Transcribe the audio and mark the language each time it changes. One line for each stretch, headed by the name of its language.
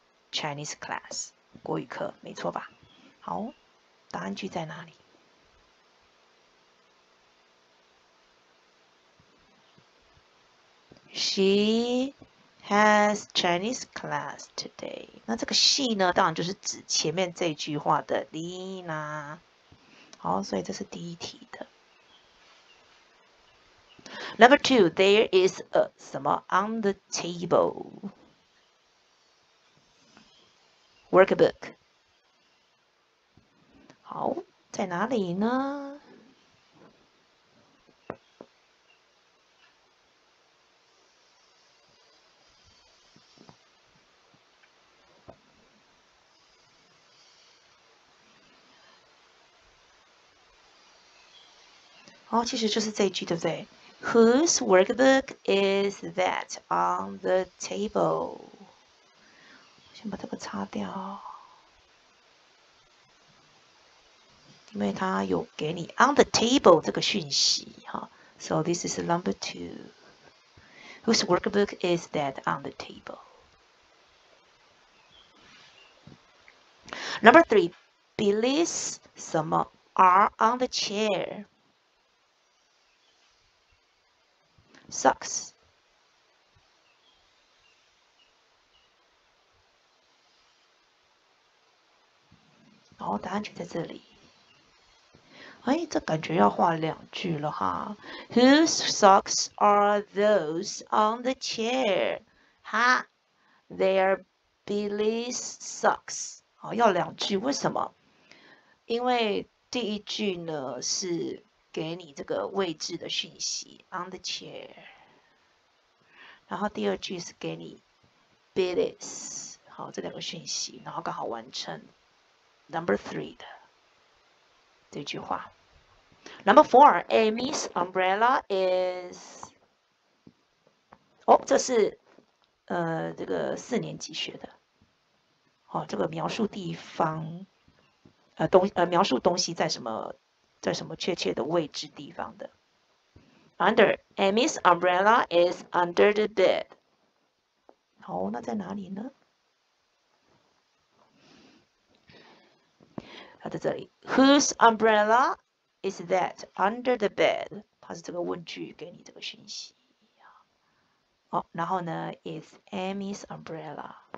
English: Chinese class.
Chinese: 国语课，没错吧？好，答案句在哪里？
English: She has Chinese class today.
Chinese: 那这个 she 呢，当然就是指前面这句话的 Lina。好，所以这是第一题的。
English: Number two, there is a 什么 on the table? Workbook.
Chinese: 好，在哪里呢？哦，其实就是这一句，对不对 ？
English: Whose workbook is that on the table？
Chinese: 先把这个擦掉，因为它有给你
English: on the table
Chinese: 这个讯息哈。
English: So this is number two. Whose workbook is that on the table？ Number three, Billy's 什么 are on the chair. Socks.
Chinese: 然后答案就在这里。哎，这感觉要画两句了哈。
English: Whose socks are those on the chair? 哈 ，They're Billy's socks。
Chinese: 哦，要两句，为什么？因为第一句呢是给你这个位置的讯息 ，
English: on the chair。
Chinese: 然后第二句是给你 Billy's， 好，这两个讯息，然后刚好完成 number three 的这句话。
English: Number four, Amy's umbrella is.
Chinese: 哦，这是这个四年级学的。哦，这个描述地方，描述东西在什么确切的位置地方的。
English: Under Amy's umbrella is under the bed.
Chinese: 哦，那在哪里呢？它在这里。
English: Whose umbrella？ Is that under the bed?
Chinese: 它是这个问句给你这个讯息。哦，然后呢
English: ，Is Amy's umbrella?